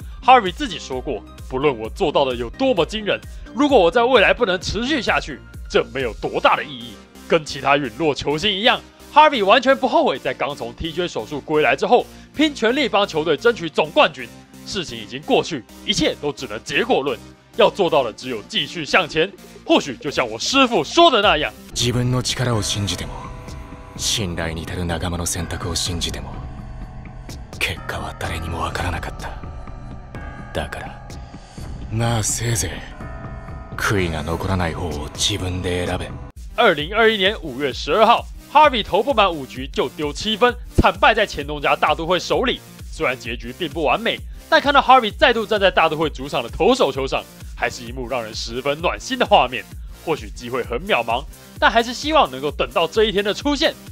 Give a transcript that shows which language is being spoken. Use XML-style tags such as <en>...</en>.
<zh>Harvey 自己说过，不论我做到的有多么惊人，如果我在未来不能持续下去，这没有多大的意义。跟其他陨落球星一样， Harvey 完全不后悔在刚从 TJ 手术归来之后拼全力帮球队争取总冠军。事情已经过去，一切都只能结果论，要做到的只有继续向前。或许就像我师父说的那样，</zh> <ja>自分の力を信じても、信頼に至る仲間の選択を信じても、結果は誰にも分からなかった。だからなあ、せいぜい悔いが残らない方を自分で選べ。</ja> <zh>2021年5月12号， Harvey 投不满5局就丢7分，惨败在前东家大都会手里。虽然结局并不完美，但看到 Harvey 再度站在大都会主场的投手球上，还是一幕让人十分暖心的画面。或许机会很渺茫，但还是希望能够等到这一天的出现。</zh>